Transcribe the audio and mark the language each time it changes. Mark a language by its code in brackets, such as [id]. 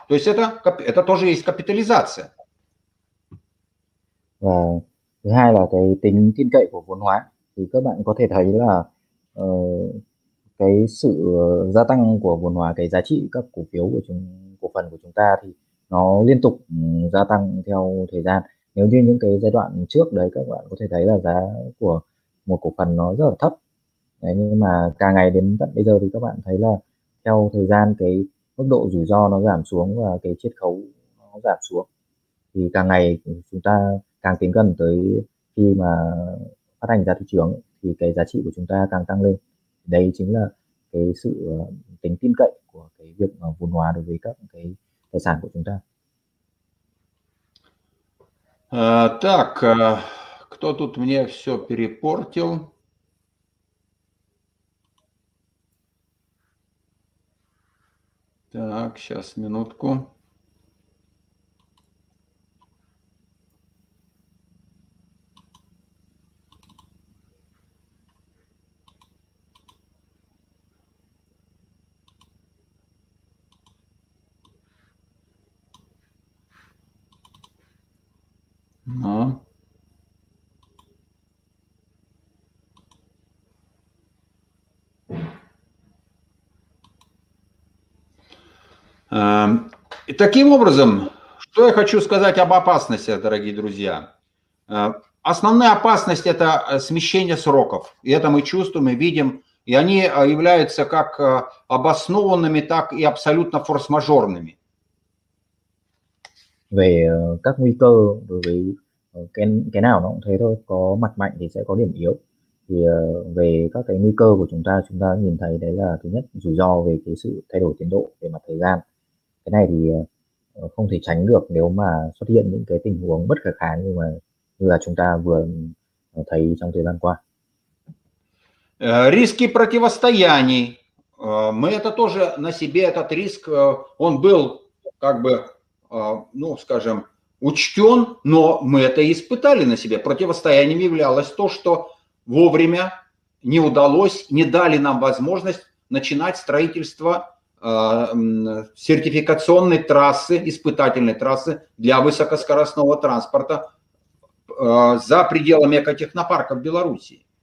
[ru] То есть это тоже есть капитализация. [vi] Và thứ hai là cái tính tin cậy của vốn hóa. Thì các bạn có thể thấy là cái sự gia tăng của vốn hóa, cái giá trị các cổ phiếu của chúng, cổ phần của chúng ta thì nó liên tục gia tăng theo thời gian. Nếu như những cái giai đoạn trước đấy các bạn có thể thấy là giá của một cổ phần nó rất là thấp. Đấy, nhưng mà càng ngày đến tận bây giờ thì các bạn thấy là theo thời gian cái mức độ rủi ro nó giảm xuống và cái chiết khấu nó giảm xuống. Thì càng ngày chúng ta càng tiến gần tới khi mà phát hành ra thị trường thì cái giá trị của chúng ta càng tăng lên. Đây chính là cái sự tính tin cậy của cái việc vốn hóa đối với các cái tài sản của chúng ta. [ru] Так, кто тут мне все перепортил? Так, сейчас, минутку. И таким образом, что я хочу сказать об опасности, дорогие друзья. Основная опасность – это смещение сроков. И это мы чувствуем и видим. и они являются как обоснованными, так и абсолютно форс-мажорными. [vi] Về các nguy cơ đối với cái nào nó cũng thế thôi, có mặt mạnh thì sẽ có điểm yếu. Thì về các cái nguy cơ của chúng ta nhìn thấy đấy là thứ nhất rủi ro về cái sự thay đổi tiến độ về mặt thời gian. Cái này thì không thể tránh được nếu mà xuất hiện những cái tình huống bất khả kháng như mà như là chúng ta vừa thấy trong thời gian qua. [ru] Риски противостояний. Мы это тоже на себе, этот риск, он был как бы, ну, скажем, учтен, но мы это испытали на себе. Противостоянием являлось то, что вовремя не удалось, не дали нам возможность начинать строительство сертификационной трассы, испытательной трассы для высокоскоростного транспорта за пределами экотехнопарка в Белоруссии.